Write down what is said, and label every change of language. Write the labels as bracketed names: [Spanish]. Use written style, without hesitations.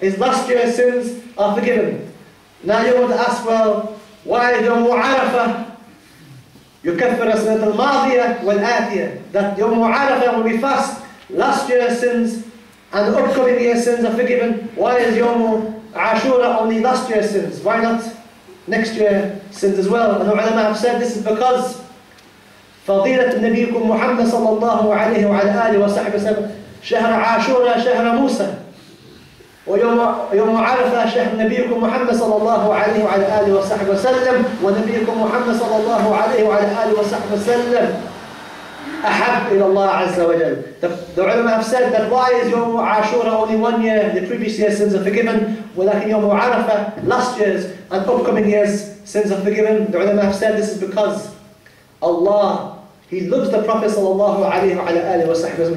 [English] His last year's sins are forgiven. Now you would ask, well, why [Arabic] يوم عرفة يُكَفِّرَ سِنَةَ الْمَاضِيَةَ وَالْآتِيَةَ. [English] That يوم عرفة, when we fast, last year's sins and upcoming year's sins are forgiven. Why is يوم عاشورة only last year's sins? Why not next year's sins as well? And the ulama have said this is because [Arabic] فضيلة نبيكم محمد صلى الله عليه وعلى آله وصحبه وسلم شهر عاشورة شهر موسى ويوم عرفة شهر نبيكم محمد صلى الله عليه وعلى آله وصحبه وسلم ونبيكم محمد صلى الله عليه وعلى آله وصحبه وسلم أحب إلى الله عز وجل. [English] The ulama have said that why is يوم عاشورة only 1 year, the previous year's sins are forgiven, [Arabic] ولكن يوم عرفة [English] last year's and upcoming year's sins are forgiven. The ulama have said this is because Allah, he loves the Prophet sallallahu alayhi wa alayhi wa sahbihi.